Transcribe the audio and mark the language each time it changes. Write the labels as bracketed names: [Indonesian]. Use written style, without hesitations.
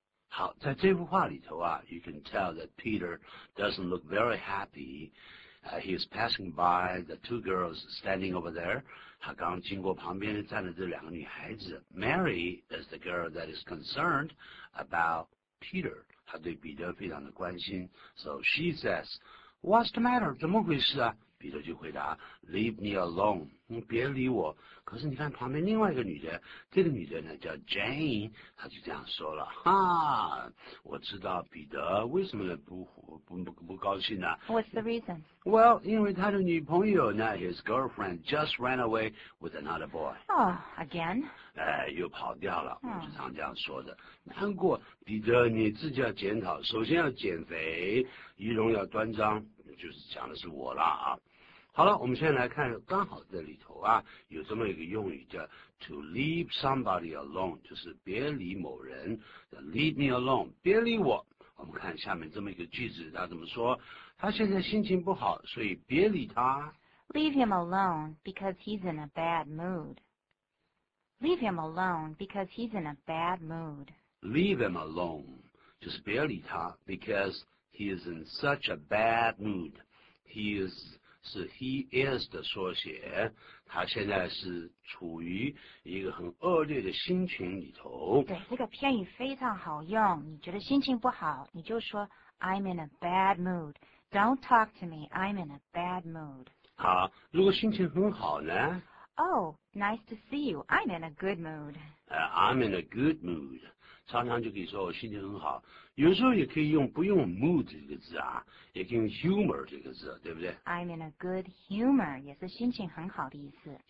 [Chinese] 好，在这幅画里头啊 [English] ，you can tell that Peter doesn't look very happy. He is passing by the two girls standing over there. [Chinese] 他刚经过旁边站着这两个女孩子。 [English] Mary is the girl that is concerned about Peter. [Chinese] 他对彼得非常的关心。 [English] So she says, What's the matter? [Chinese] 怎么回事啊？彼得就回答 [English] Leave me alone. [Chinese] 别理我。可是你看旁边另外一个女的，这个女的呢叫 Jane, 她就这样说了，哈，我知道彼得为什么不高兴呢、啊、 [English] What's the reason? Well, [Chinese] 因为他的女朋友呢 [English] his girlfriend just ran away with another boy. Oh, again? [Chinese] 又跑掉了，我就常这样说的。难过，彼得你自己要检讨，首先要减肥，仪容要端庄，就是讲的是我了啊。好了，我们现在来看，刚好这里头啊，有这么一个用语叫 [English] to leave somebody alone, [Chinese] 就是别理某人 , [English] leave me alone, [Chinese] 别理我。我们看下面这么一个句子，他怎么说，他现在心情不好，所以别理他。 [English] Leave him alone because he's in a bad mood. Leave him alone because he's in a bad mood. Leave him alone, [Chinese] 就是别理他 [English] because he is in such a bad mood. He is... [Chinese] 是 [English] he is [Chinese] 的缩写，他现在是处于一个很恶劣的心情里头。对，这个片语非常好用，你觉得心情不好，你就说 [English] I'm in a bad mood. Don't talk to me, I'm in a bad mood. [Chinese] 好，如果心情很好呢？ [English] Oh, nice to see you. I'm in a good mood. I'm in a good mood. [Chinese] 常常就可以说我心情很好。有时候也可以用不用 mood 这个字啊，也可以用 humor 这个字，对不对 [English] ？I'm in a good humor [Chinese] 也是心情很好的意思。